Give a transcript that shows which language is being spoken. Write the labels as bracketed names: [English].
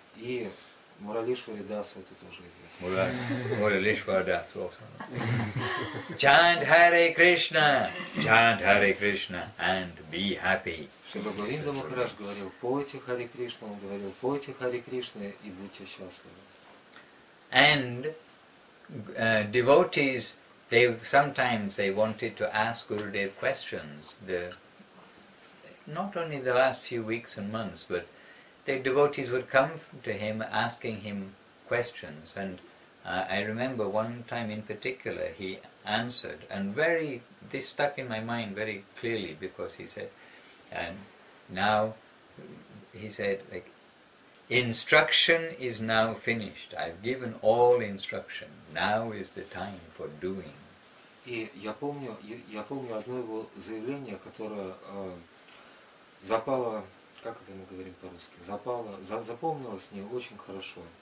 [Russian] И Муралишвари Дасу это тоже известно. [English] Муралишвари Дасу also. Chant Hare Krishna! Chant Hare Krishna and be happy! [Russian] Шрила Говинда Махарадж говорил, пойте Хари Кришна, он говорил, пойте Хари Кришна и будьте счастливы. [English] And devotees, they wanted to ask Gurudev questions. Not only the last few weeks and months, but the devotees would come to him asking him questions. And I remember one time in particular he answered, and this stuck in my mind very clearly because he said, and now, he said, instruction is now finished. I've given all instruction. Now is the time for doing. [Russian] И я помню одно его заявление, которое запало, как это мы говорим по-русски, запомнилось мне очень хорошо.